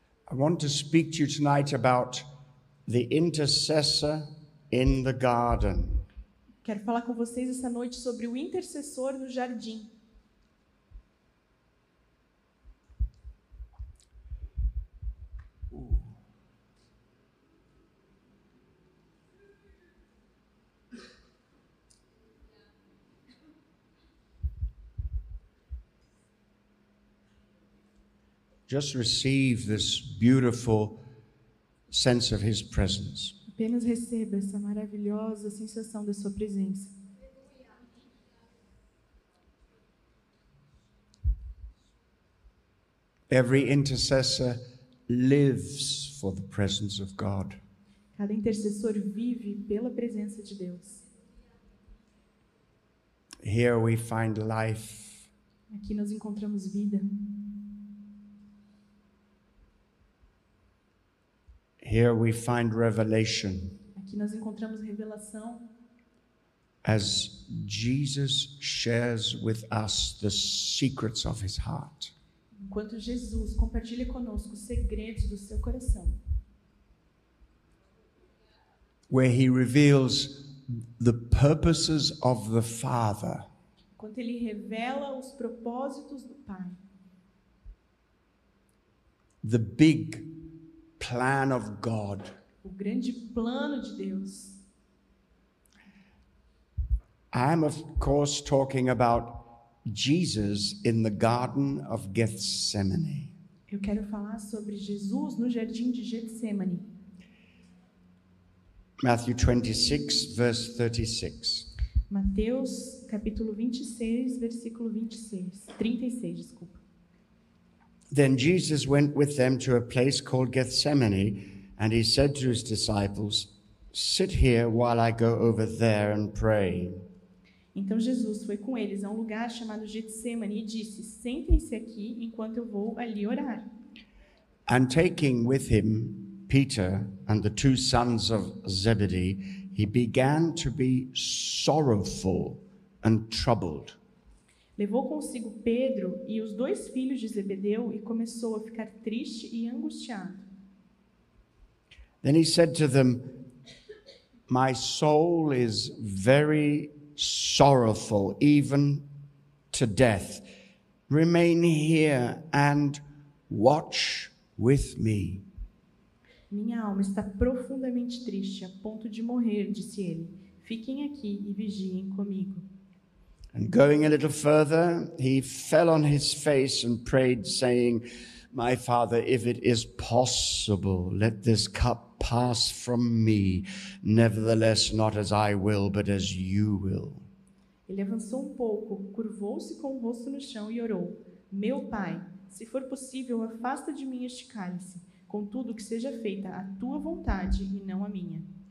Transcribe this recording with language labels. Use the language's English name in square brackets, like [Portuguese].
[English] I want to speak to you tonight about the intercessor in the garden. [Portuguese] Quero falar com vocês essa noite sobre o intercessor no jardim. [English] Just receive this beautiful sense of his presence. [Portuguese] Apenas receba essa maravilhosa sensação da sua presença. [English] Every intercessor lives for the presence of God. [Portuguese] Cada intercessor vive pela presença de Deus. [English] Here we find life. [Portuguese] Aqui nós encontramos vida. [English] Here we find revelation. [Portuguese] Aqui nós encontramos revelação. [English] As Jesus shares with us the secrets of his heart. [Portuguese] Enquanto Jesus compartilha conosco os segredos do seu coração. [English] Where he reveals the purposes of the Father. [Portuguese] Enquanto ele revela os propósitos do Pai. [English] The big plan of God. [Portuguese] O grande plano de Deus. [English] I am of course talking about Jesus in the Garden of Gethsemane. [Portuguese] Eu quero falar sobre Jesus no jardim de Getsemane. [English] Matthew 26 verse 36. [Portuguese] Mateus capítulo 26 versículo 26. 36, desculpa. [English] Then Jesus went with them to a place called Gethsemane, and he said to his disciples, "Sit here while I go over there and pray." [Portuguese] Então Jesus foi com eles a um lugar chamado Getsemane e disse, "Sentem-se aqui enquanto eu vou ali orar." [English] And taking with him Peter and the two sons of Zebedee, he began to be sorrowful and troubled. [Portuguese] Levou consigo Pedro e os dois filhos de Zebedeu e começou a ficar triste e angustiado. [English] Then he said to them, "My soul is very sorrowful, even to death. Remain here and watch with me. [Portuguese] Minha alma está profundamente triste, a ponto de morrer, disse ele. Fiquem aqui e vigiem comigo. [English] And going a little further, he fell on his face and prayed, saying, My father, if it is possible, let this cup pass from me. Nevertheless, not as I will, but as you will. [Portuguese] Ele avançou um pouco, curvou-se com o rosto no chão e orou. Meu pai, se for possível, afasta de mim este cálice. Contudo, que seja feita a tua vontade e não a minha.